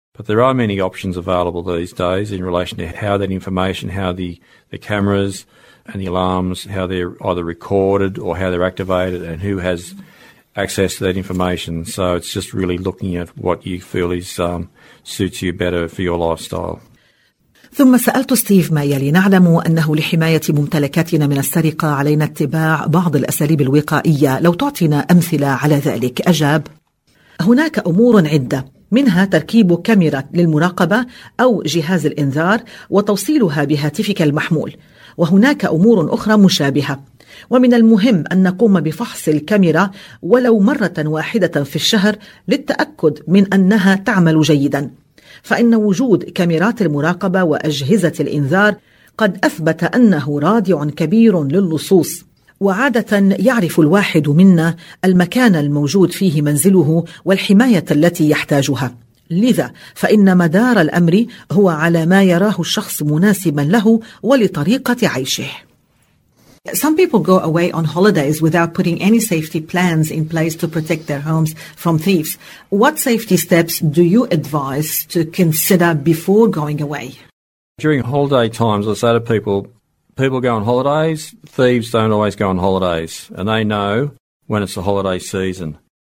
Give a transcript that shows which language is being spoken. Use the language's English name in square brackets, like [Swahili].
[English] But there are many options available these days in relation to how that information, how the cameras and the alarms, how they're either recorded or how they're activated and who has access to that information. So it's just really looking at what you feel is suits you better for your lifestyle. [Arabic] ثم سألت ستيف ما يلي: نعلم أنه لحماية ممتلكاتنا من السرقة علينا اتباع بعض الأساليب الوقائية، لو تعطينا أمثلة على ذلك. أجاب: هناك أمور عدة، منها تركيب كاميرا للمراقبة أو جهاز الإنذار وتوصيلها بهاتفك المحمول، وهناك أمور أخرى مشابهة. ومن المهم أن نقوم بفحص الكاميرا ولو مرة واحدة في الشهر للتأكد من أنها تعمل جيداً، فإن وجود كاميرات المراقبة وأجهزة الإنذار قد أثبت أنه رادع كبير للصوص. وعادة يعرف الواحد منا المكان الموجود فيه منزله والحماية التي يحتاجها، لذا فإن مدار الأمر هو على ما يراه الشخص مناسبا له ولطريقة عيشه. [English] Some people go away on holidays without putting any safety plans in place to protect their homes from thieves. What safety steps do you advise to consider before going away? During holiday times, I say to people go on holidays, thieves don't always go on holidays, and they know when it's the holiday season.